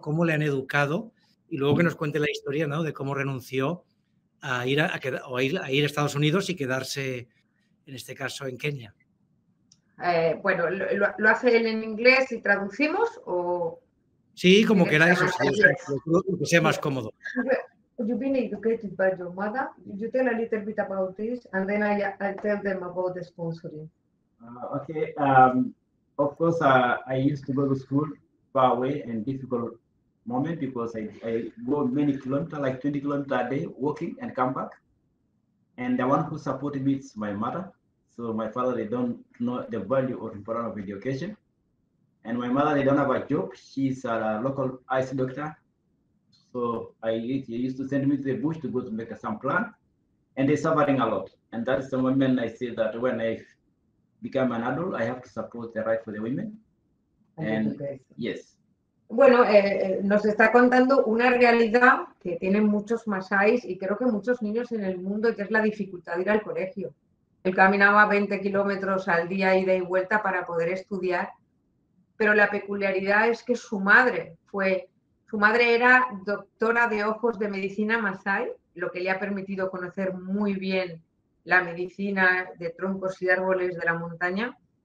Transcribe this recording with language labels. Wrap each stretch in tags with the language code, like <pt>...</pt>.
<es>Cómo le han educado y luego que nos cuente la historia, ¿no? De cómo renunció a ir a Estados Unidos y quedarse, en este caso, en Kenia. Bueno, ¿lo hace él en inglés y traducimos o...? Sí, como queráis, lo que sea más cómodo.</es> <en>You've been educated by your mother. You tell a little bit about this and then I tell them about the sponsoring. Okay, of course, I used to go to school far away and difficult moment because I go many kilometers, like 20 kilometers a day, walking and come back. And the one who supported me is my mother. So my father, they don't know the value or importance of education. And my mother, they don't have a job. She's a local ice doctor. So she used to send me to the bush to go to make some plant. And they're suffering a lot. And that's the moment I say that when I become an adult, I have to support the right for the women. And yes.</en> <es>Bueno, nos está contando una realidad que tienen muchos Masáis y creo que muchos niños en el mundo, que es la dificultad de ir al colegio. Él caminaba 20 kilómetros al día, ida y vuelta, para poder estudiar. Pero la peculiaridad es que su madre era doctora de ojos de medicina Masái, lo que le ha permitido conocer muy bien la medicina de troncos y árboles de la montaña.</es>